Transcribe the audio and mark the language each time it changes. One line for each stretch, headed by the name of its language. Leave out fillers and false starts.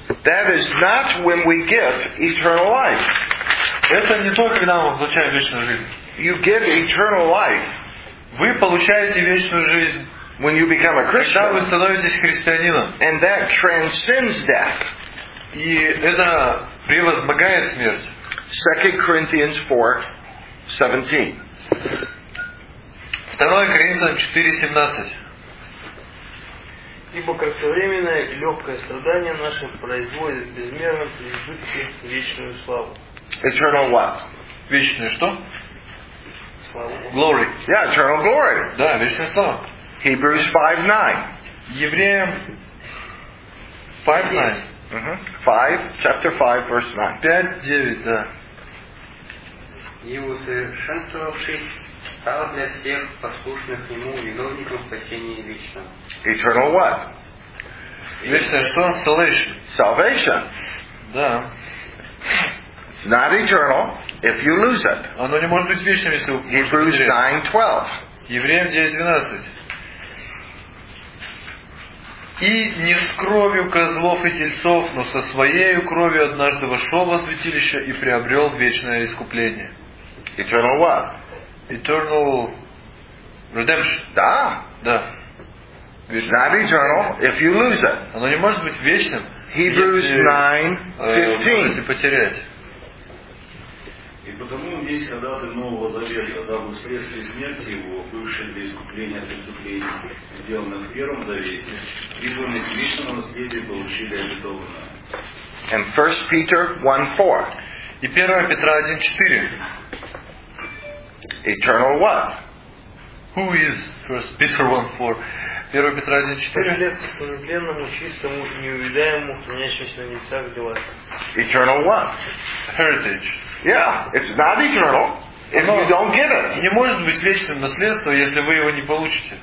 English: That is not when we get eternal life.
Russian: Это не то, когда мы получаем вечную жизнь.
English: You get eternal life.
Russian: Вы получаете вечную жизнь.
English: When you become a Christian.
Russian: Когда вы становитесь христианином.
English: And that transcends death.
Russian: И это превозмогает смерть.
English: 2 Corinthians 4:17.
Russian: 2 Коринфянам 4:17. Ибо кратковременное и легкое страдание наше производит безмерно при избытке вечную славу.
English: Eternal what?
Russian: Вечную что? Славу.
English: Glory. Yeah, eternal glory.
Russian: Да, вечная слава.
English: Hebrews 5:9.
Russian: Евреям 5:9.
English: Chapter 5, verse 9.
Russian: 5:9, да. И усовершенствовавшись, стал для всех послушных Нему виновником спасения вечного.
English: Eternal what?
Russian: Вечное что?
English: Salvation. Salvation.
Russian: Да.
English: It's not eternal if you lose it.
Russian: Оно не может быть вечным, если вы
English: Hebrews 9:12.
Russian: Евреям 9:12. И не с кровью козлов и тельцов, но со своей кровью однажды вошел во святилище и приобрел вечное искупление.
English: Eternal what? Eternal redemption.
Russian: Да. Да.
English: It's not eternal if you lose it.
Russian: Оно не может быть вечным.
English: Hebrews
Russian: 9:15. Если потерять. И потому есть ходатай Нового Завета, дабы вследствие смерти его, бывшее для искупления преступлений, сделанных в Первом Завете, ибо мы к вечному наследию получили обетованное.
English: And 1 Peter 1:4.
Russian: И 1 Петра 1:4.
English: Eternal what? Who is 1 Peter 1:4?
Russian: 1 Петра 1:4. Прежде нетленному, чистому, неувядаемому, хранящемуся на небесах для вас.
English: Eternal what? Heritage. Yeah, it's not eternal if you don't get it.
Russian: Не может быть вечным наследство, если вы его не получите.